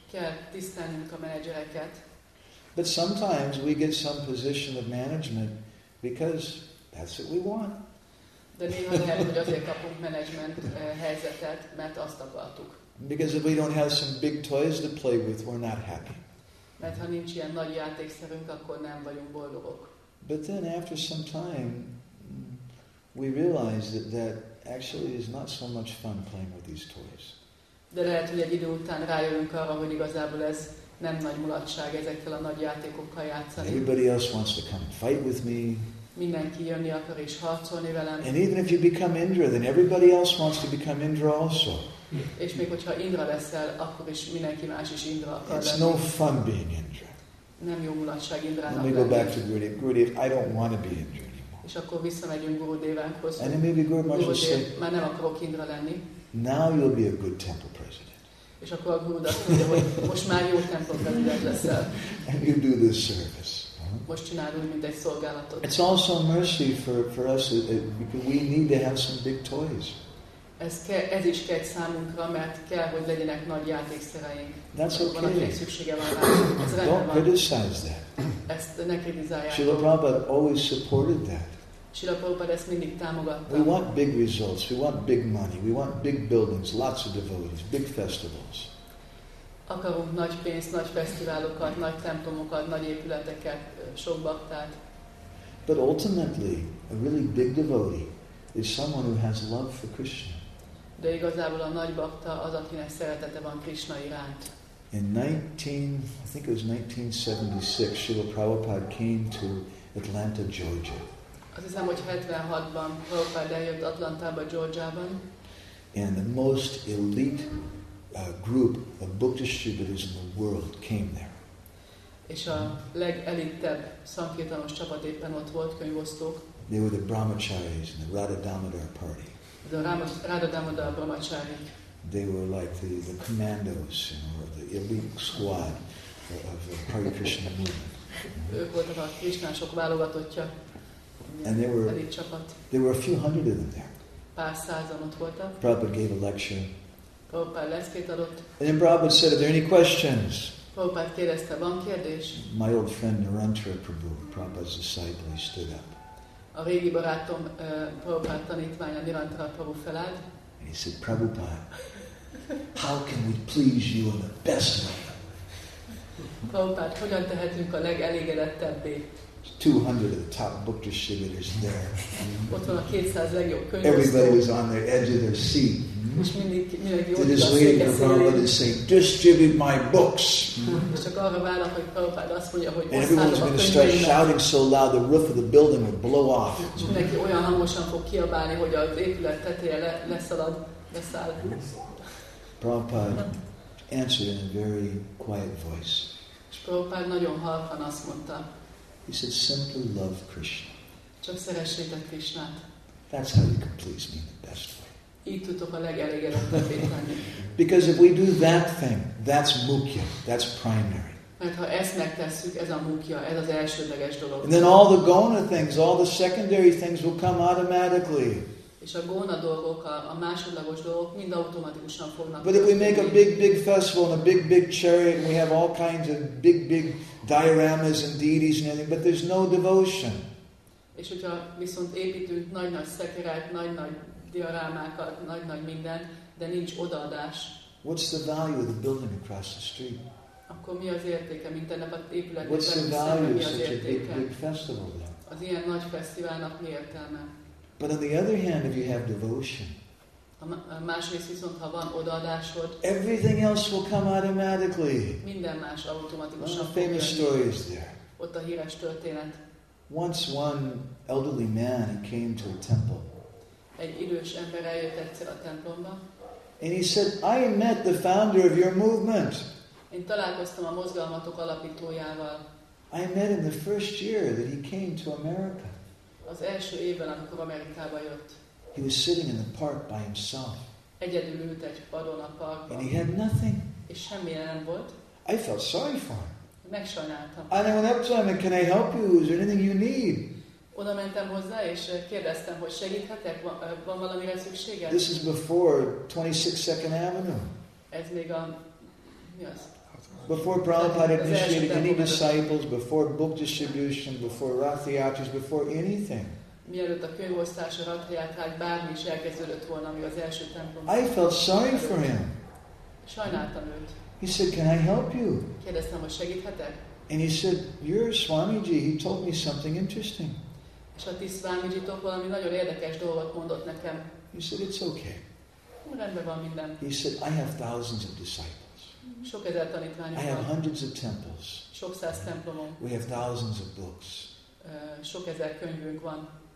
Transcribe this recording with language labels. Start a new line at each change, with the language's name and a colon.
Hungarian: Kell tisztelnünk a menedzsereket.
English: But sometimes we get some position of management because that's what we want.
Hungarian: De néha lehet, hogy azért kapunk management helyzetet, mert azt akartuk.
English: Because if we don't have some big toys to play with, we're not happy.
Hungarian: Mert ha nincs ilyen nagy játékszerünk, akkor nem vagyunk boldogok.
English: But then after some time, we realize that that actually is not so much fun playing with these toys.
Hungarian: De lehet, hogy egy idő után rájövünk arra, hogy igazából ez nem nagy mulatság ezekkel a nagy játékokkal játszani.
English: Everybody else wants to come and fight with me.
Hungarian: Mindenki jönni akar és harcolni velem.
English: And even if you become Indra, then everybody else wants to become Indra also.
Hungarian: És még hogyha Indra leszel, akkor is mindenki más is Indra akar lenni.
English: It's no fun being Indra.
Hungarian: Nem jó mulatság Indrának.
English: Let me go back to Gurudev. Gurudev, I don't want to be Indra anymore.
Hungarian: És akkor visszamegyünk Gurudevánkhoz.
English: And then maybe Gurudev might just say,
Hungarian: már nem akarok Indra lenni.
English: Now you'll be a good temple president.
Hungarian: És akkor a Gurudev azt mondja, hogy most már jó temple president leszel.
English: And you do this service.
Hungarian: Most csinálod mindegy szolgálatot.
English: It's also mercy for us, because we need to have some big toys.
Hungarian: Ez is kell számunkra, mert kell, hogy legyenek nagy játékszereink.
English: That's okay.
Hungarian: Valakinek szüksége van rá.
English: Don't criticize that.
Hungarian: Ezt ne kritizálják.
English: Srila Prabhupada always supported that.
Hungarian: Srila Prabhupada ezt mindig támogatta.
English: We want big results, we want big money, we want big buildings, lots of devotees, big festivals.
Hungarian: Akarunk nagy pénzt, nagy fesztiválokat, nagy templomokat, nagy épületeket, sok baktát.
English: But ultimately, a really big devotee is someone who has love for Krishna.
Hungarian: De igazából a nagy bakta az, akinek szeretete van Krishna iránt.
English: I think it was 1976, Srila Prabhupada came to Atlanta, Georgia.
Hungarian: Az hiszem, hogy 76-ban Prabhupada eljött Atlantába, Georgiában.
English: And the most elite group of book distributors in the world came there.
Hungarian: És a legelitebb szankirtanos csapat éppen ott volt, könyvosztók.
English: They were the Brahmacharis and the Radha Damodar party. They were like the commandos, you know, the elite squad of the Hare Krishna movement. And there were a few hundred of them there. Prabhupada gave a lecture. And then Prabhupada said, are there any questions? My old friend Narantara Prabhu, Prabhupada's disciple, he stood up.
Hungarian: A régi barátom, Prabhupád tanítványa, Nirantara Prabhu felállt.
English: And he said, Prabhupád, how can we please you in the best way?
Hungarian: Prabhupád, hogyan tehetünk a legelégedettebbé?
English: 200 of the top book distributors there.
Hungarian: Ott van a 200 legjobb könyvesztő.
English: Everybody was on the edge of their seat.
Hungarian: Most mindig jó, hogy azt mondja, hogy
English: distribute my books.
Hungarian: Most csak arra vállal, hogy Prabhupád azt mondja, hogy
English: and everyone was going to start shouting so loud the roof of the building would blow off.
Hungarian: Mindenki olyan hangosan fog kiabálni, hogy az épület teteje leszalad, leszáll.
English: Prabhupád answered in a very quiet voice.
Hungarian: És Prabhupád nagyon halkan azt mondta.
English: He said, simply love Krishna.
Hungarian: Csak szeressétek Krishnát.
English: That's how you can please me in the best way.
Hungarian: Így tudok a legelégedettebbé lenni.
English: Because if we do that thing, that's mukya, that's primary.
Hungarian: Mert ha ezt megtesszük, ez a mukya, ez az elsődleges dolog.
English: And then all the gona things, all the secondary things will come automatically.
Hungarian: És a gona dolgok, a másodlagos dolgok mind automatikusan fognak.
English: But if we make a big festival and a big chariot and we have all kinds of big dioramas and deities and everything, but there's no devotion.
Hungarian: És hogyha viszont építünk nagy-nagy szekerát, nagy-nagy diorámákat, nagy-nagy mindent, de nincs odaadás.
English: What's the value of the building across the street?
Hungarian: Akkor mi az értéke, mint ennek az épületnek?
English: What's the value of such a big festival then?
Hungarian: Az ilyen nagy fesztiválnak mi értelme?
English: But on the other hand, if you have devotion,
Hungarian: másrészt viszont, ha van odaadásod,
English: everything else will come automatically.
Hungarian: Minden más automatikusan.
English: One famous story is there.
Hungarian: Ott a híres történet.
English: Once one elderly man came to a temple.
Hungarian: Egy idős ember eljött egyszer a templomba.
English: And he said, I met the founder of your movement.
Hungarian: Én találkoztam a mozgalmatok alapítójával.
English: I met him the first year that he came to America.
Hungarian: Az első évben, amikor Amerikába jött.
English: He was sitting in the park by himself.
Hungarian: Egyedül ült egy padon a parkban.
English: And he had nothing.
Hungarian: És semmilyen nem volt.
English: I felt sorry for him.
Hungarian: Megsajnáltam.
English: And I went up to him and can I help you? Is there anything you need?
Hungarian: Oda mentem hozzá, és kérdeztem, hogy segíthetek? Van valamire szükséged?
English: This is before 26 Second Avenue.
Hungarian: Ez még a... mi az?
English: Before Prabhupada initiated any disciples, before book distribution, before rathyatras, before anything.
Hungarian: Mielőtt a könyvosztás, a rathyatrák, bármi is elkezdődött volna, ami az első templomban.
English: I felt sorry for him.
Hungarian: Sajnáltam őt.
English: He said, can I help you?
Hungarian: Kérdeztem, hogy segíthetek?
English: And he said, you're Swamiji, he told me something interesting.
Hungarian: És a ti Swamijitok valami nagyon érdekes dolgot mondott nekem.
English: He said, it's okay.
Hungarian: Rendben van minden.
English: He said, I have thousands of disciples.
Hungarian: Sok ezer tanítványunk.
English: I have hundreds of temples.
Hungarian: Sok száz templomunk.
English: We have thousands of books.
Hungarian: Sok ezer könyvünk van.